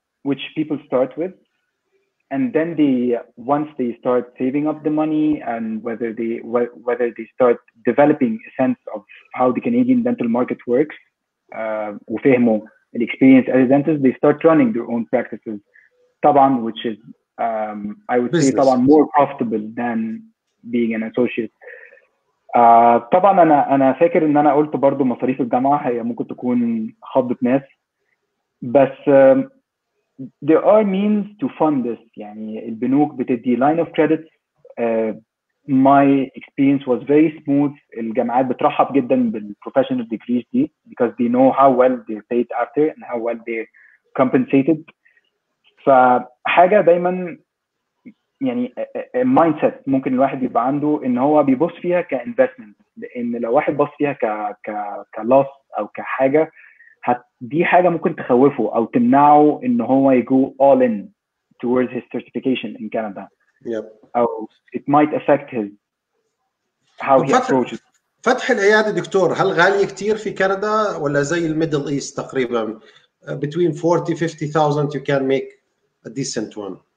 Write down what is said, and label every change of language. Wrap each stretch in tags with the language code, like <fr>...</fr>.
<en>Which people start with, and then they once they start saving up the money and whether they start developing a sense of how the Canadian dental market works, وفهموا the experience as a dentist, they start running their own practices, طبعاً which is I would business. Say طبعاً more profitable than being an associate.</en> <ar>طبعاً أنا فاكر إن أنا قلت برضو مصاريف الجامعة هي ممكن تكون خبط ناس.</ar> <en>بس there are means to fund this يعني البنوك بتدي line of credit. My experience was very smooth. الجامعات بترحب جدا بالprofessional degrees دي because they know how well they're paid after and how well they're compensated.</en> <ar>فحاجة دايما يعني a mindset ممكن الواحد يبقى عنده ان هو بيبص فيها كinvestment لان لو واحد بص فيها كloss او كحاجة دي حاجة ممكن تخوفه أو تمنعه إن هو يجو all in towards his certification in Canada.</ar> <en>Yep. أو it might affect his how he approaches.</en> <ar>فتح العيادة دكتور هل غالي كتير في كندا ولا زي الميدل إيست تقريبا between 40-50,000 you can make a decent one.</ar>